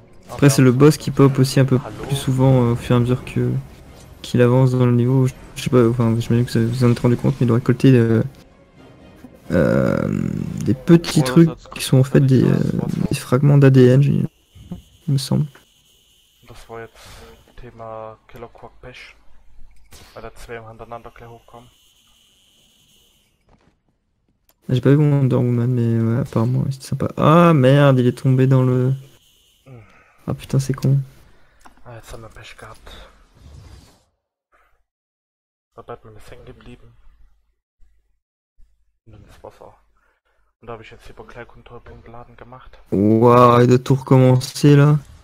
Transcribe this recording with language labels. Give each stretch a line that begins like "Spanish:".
French: Après c'est le boss qui pop aussi un peu plus souvent au fur et à mesure qu'il avance dans le niveau. Je sais pas, enfin j'imagine que vous en êtes rendu compte, mais il doit récolter des petits trucs qui sont en fait des fragments d'ADN, il me semble.
German: Das war jetzt Thema Killer Croc Pech, weil da zwei hintereinander gleich hochkommen.
French: J'ai pas vu Wonder Woman, mais ouais, apparemment c'était sympa. Ah merde, il est tombé dans le... Ah putain, c'est con.
German: Ah, jetzt haben wir Pech gehabt. Da bleibt man hängen geblieben. Ins Wasser. Und da habe ich jetzt hier bei Kleinkontrollpunkt laden gemacht.
French: Wow, il a tout recommencé là.